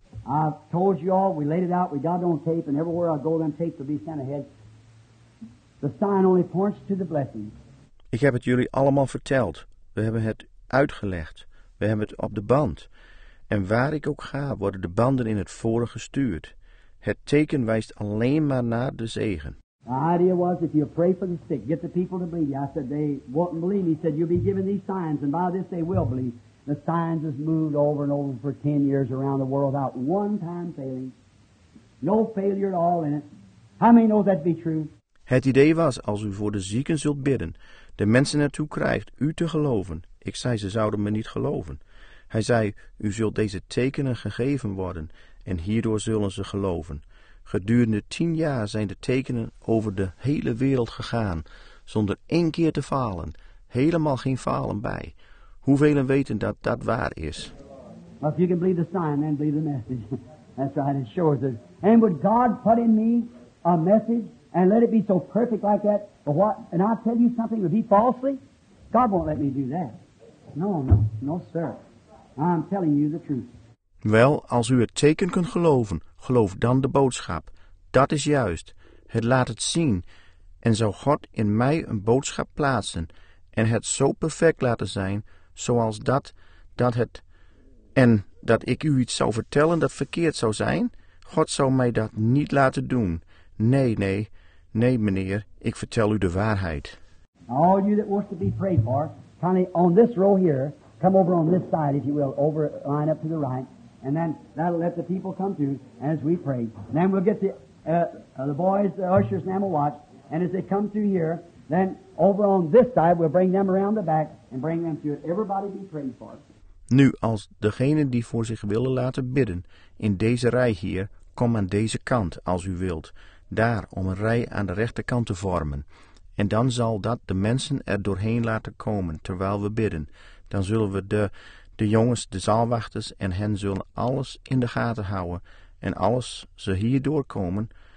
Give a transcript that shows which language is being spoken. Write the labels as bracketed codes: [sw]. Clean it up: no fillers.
[en] I've told you all, we laid it out, we got it on tape, and everywhere I go, them tapes will be sent ahead. The sign only points to the blessing. [nl] Ik heb het jullie allemaal verteld. We hebben het uitgelegd. We hebben het op de band. En waar ik ook ga, worden de banden in het voren gestuurd. Het teken wijst alleen maar naar de zegen. [en] The idea was, if you pray for the sick, get the people to believe you. I said, they won't believe me. He said, you'll be given these signs, and by this they will believe. The signs has moved over and over for 10 years around the world without one time failing. No failure at all in it. How many know that to be true? [nl] Het idee was, als u voor de zieken zult bidden, de mensen ertoe krijgt u te geloven. Ik zei, ze zouden me niet geloven. Hij zei, u zult deze tekenen gegeven worden en hierdoor zullen ze geloven. Gedurende 10 jaar zijn de tekenen over de hele wereld gegaan, zonder 1 keer te falen, helemaal geen falen bij. Hoeveel weten dat dat waar is? [en] Well, if you can believe the sign, then believe the message. That's right, it shows it. And would God put in me a message and let it be so perfect like that? Or what? And I'll tell you something, would be falsely? God won't let me do that. No, no, no, sir. I'm telling you the truth. [nl] Wel, als u het teken kunt geloven, geloof dan de boodschap. Dat is juist. Het laat het zien. En zou God in mij een boodschap plaatsen en het zo perfect laten zijn, zoals dat, dat het... En dat ik u iets zou vertellen dat verkeerd zou zijn? God zou mij dat niet laten doen. Nee, nee, nee, meneer, ik vertel u de waarheid. [en] All you that wants to be prayed for, kindly on this row here, come over on this side, if you will, over, line up to the right. And then that'll let the people come to as we pray. And then we'll get the boys, the ushers, and we'll watch. And as they come through here, then over on this side, we'll bring them around the back and bring them through. Everybody be praying for us. [nl] Nu, als degenen die voor zich willen laten bidden, in deze rij hier, kom aan deze kant als u wilt. Daar, om een rij aan de rechterkant te vormen. En dan zal dat de mensen er doorheen laten komen, terwijl we bidden. Dan zullen we de jongens, de zaalwachters en hen zullen alles in de gaten houden en alles ze hier doorkomen.